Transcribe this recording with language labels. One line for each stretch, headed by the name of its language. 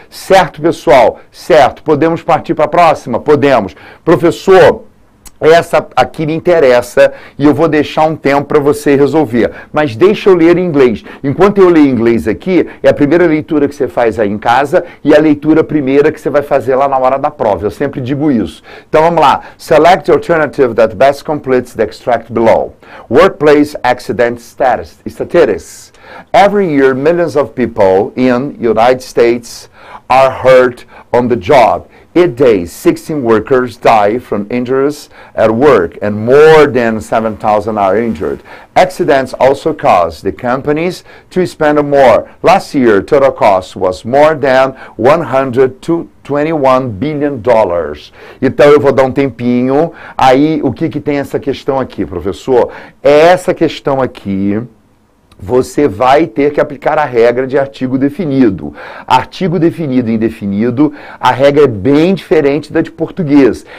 Portuguese: Certo, pessoal? Certo. Podemos partir para a próxima? Podemos. Professor, essa aqui me interessa e eu vou deixar um tempo para você resolver. Mas deixa eu ler em inglês. Enquanto eu leio em inglês aqui, é a primeira leitura que você faz aí em casa e a leitura primeira que você vai fazer lá na hora da prova. Eu sempre digo isso. Então vamos lá.
English: Select the alternative that best completes the extract below. Workplace accident statistics. Every year, millions of people in the United States are hurt on the job. Each day, 16 workers die from injuries at work, and more than 7,000 are injured. Accidents also cause the companies to spend more. Last year, total cost was more than $121 billion.
Portuguese: Então, eu vou dar um tempinho. Aí, o que, que tem essa questão aqui, professor? Essa questão aqui, você vai ter que aplicar a regra de artigo definido. Artigo definido e indefinido, a regra é bem diferente da de português.